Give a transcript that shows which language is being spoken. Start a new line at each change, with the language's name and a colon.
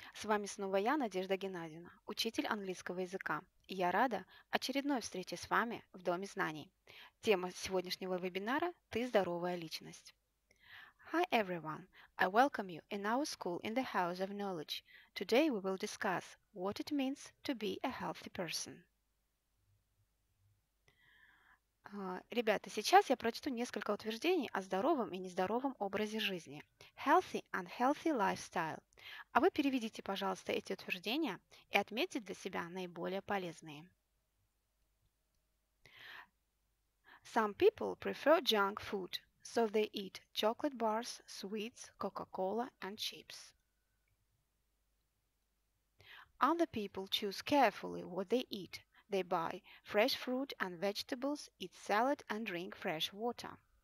Russian: С вами снова я, Надежда Геннадьевна, учитель английского языка. И я рада очередной встрече с вами в Доме знаний. Тема сегодняшнего вебинара – «Ты здоровая личность».
English: Hi everyone! I welcome you in our school in the House of Knowledge. Today we will discuss what it means to be a healthy person.
Russian: Ребята, сейчас я прочту несколько утверждений о здоровом и нездоровом образе жизни.
English: Healthy and unhealthy lifestyle.
Russian: А вы переведите, пожалуйста, эти утверждения и отметьте для себя наиболее полезные.
English: Some people prefer junk food, so they eat chocolate bars, sweets, Coca-Cola and chips. Other people choose carefully what they eat. They buy fresh fruit and vegetables, eat salad and drink fresh water.